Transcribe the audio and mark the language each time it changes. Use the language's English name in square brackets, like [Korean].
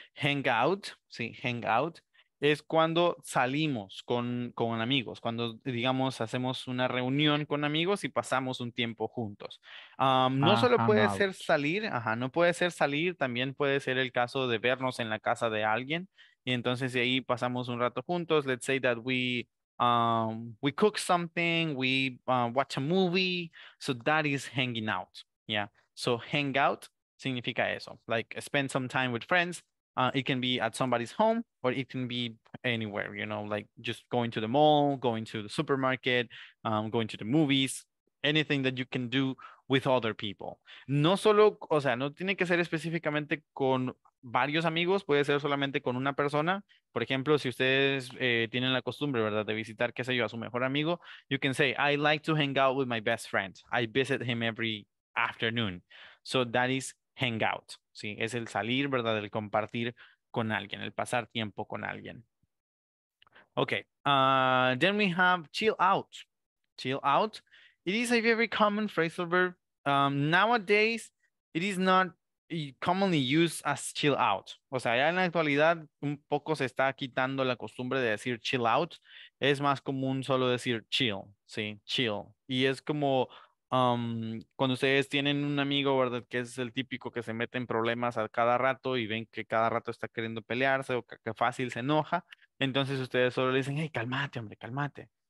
[Spanish] Hangout, sí, hangout. Es cuando salimos con amigos, cuando, digamos, hacemos una reunión con amigos y pasamos un tiempo juntos. No solo puede ser salir, ajá, no puede ser salir, también puede ser el caso de vernos en la casa de alguien. Y entonces de ahí pasamos un rato juntos. [English] Let's say that we cook something, we watch a movie. So that is hanging out, yeah. So hang out [Spanish] significa eso, [English] like spend some time with friends. It can be at somebody's home, or it can be anywhere, you know, like just going to the mall, going to the supermarket, going to the movies, anything that you can do with other people. [Spanish] No solo, o sea, no tiene que ser específicamente con varios amigos, puede ser solamente con una persona. Por ejemplo, si ustedes tienen la costumbre, ¿verdad?, de visitar, qué sé yo, a su mejor amigo, [English] you can say, I like to hang out with my best friend. I visit him every afternoon. So that is hang out. [Spanish] Sí, es el salir, ¿verdad? El compartir con alguien, el pasar tiempo con alguien. [English] Okay, then we have chill out. Chill out. It is a very common phrasal verb. Nowadays, it is not commonly used as chill out. [Spanish] O sea, ya en la actualidad un poco se está quitando la costumbre de decir chill out. Es más común solo decir chill, sí, chill. Y es como... cuando ustedes tienen un amigo, ¿verdad?, que es el típico que se mete en problemas a cada rato y ven que cada rato está queriendo pelearse o que fácil se enoja, entonces ustedes solo le dicen, hey, cálmate, hombre, cálmate.